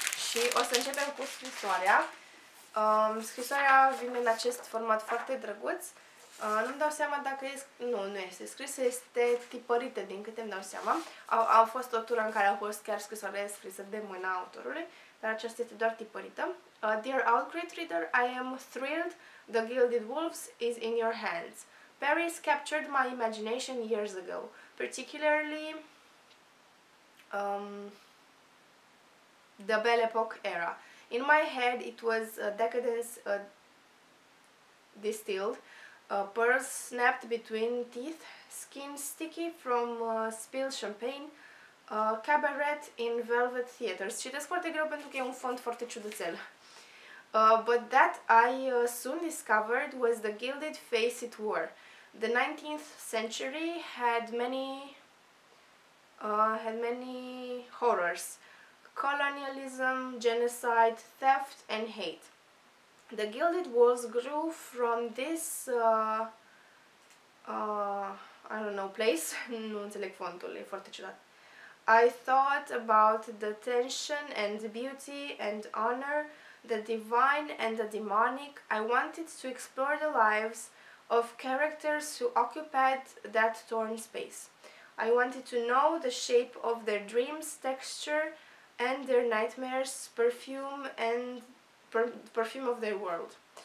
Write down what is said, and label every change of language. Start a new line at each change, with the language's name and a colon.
Romanian: Și o să începem cu scrisoarea. Scrisoarea vine în acest format foarte drăguț. Nu-mi dau seama dacă este... Nu, nu este scrisă, este tipărită, din câte îmi dau seama. A fost o tură în care a fost chiar scrisoarea scrisă de mâna autorului, dar aceasta este doar tipărită.
English: Dear all great reader, I am thrilled the Gilded Wolves is in your hands. Paris captured my imagination years ago, particularly the Belle Epoque era. In my head, it was decadence distilled, pearls snapped between teeth, skin sticky from spilled champagne, cabaret in velvet theaters.
Romanian: Citesc foarte greu pentru că e un font foarte ciudățel.
English: But that I soon discovered was the gilded face it wore. The 19th century had many horrors. Colonialism, genocide, theft, and hate. The Gilded Wolves grew from this, I don't know, place.
Romanian: Nu înțeleg fontul, e foarte ciudat.
English: I thought about the tension and beauty and honor, the divine and the demonic. I wanted to explore the lives of characters who occupied that torn space. I wanted to know the shape of their dreams, texture, and their nightmares, perfume, and perfume of their world.